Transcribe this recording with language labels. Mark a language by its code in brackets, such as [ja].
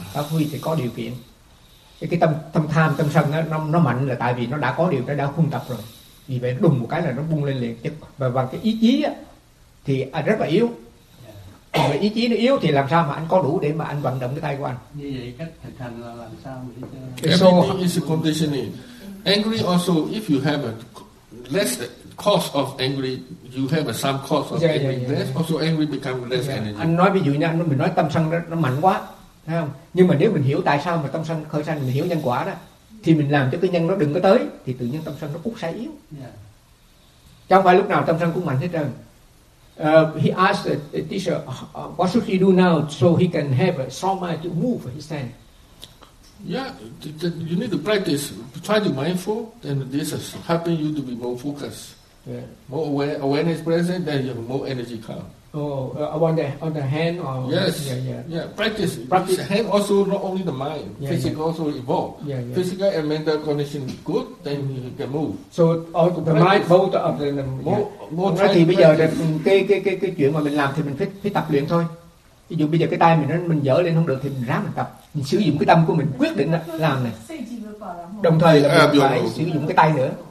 [vi] Pháp vô vi thì có điều kiện. Cái tâm tham, tâm sân nó mạnh là tại vì nó đã có điều, nó đã khung tập rồi. Vì vậy đùng một cái là nó bung lên liền. Và bằng cái ý chí á, thì anh rất là yếu. Mà ý chí nó yếu thì làm sao mà anh có đủ để mà anh vận động cái tay của anh. Như vậy cách thực hành là làm sao để cho... [en] Everything is a conditioning. Angry also, if you have a less cause of angry, you have a some cause of angry. Less also angry become less energy. [vi] Anh nói ví dụ nha, mình nói tâm sân nó mạnh quá, thấy không? Nhưng mà nếu mình hiểu tại sao mà tâm sân khởi sanh, mình hiểu nhân quả đó, thì mình làm cho cái nhân nó đừng có tới, thì tự nhiên tâm sân nó cũng sẽ yếu. Chứ không phải lúc nào tâm sân cũng mạnh hết trơn. [en] He asked the teacher, what should he do now so he can have a strong mind to move his hand? Yeah, you need to practice. Try to be mindful, then this is helping you to be more focused. Yeah. More aware, awareness present, then you have more energy come. On the hand? Or yes. Yeah. Practice. The hand also, not only the mind. Physical also evolve. Physical and mental condition good, then you can move. So, the mind both of the... More [vi] nói thì bây giờ cái chuyện mà mình làm thì mình phải tập luyện thôi. Ví dụ bây giờ cái tay mình dở lên không được thì mình ráng mình tập. Mình sử dụng cái tâm của mình quyết định làm này. Đồng thời là mình phải sử dụng cái tay nữa.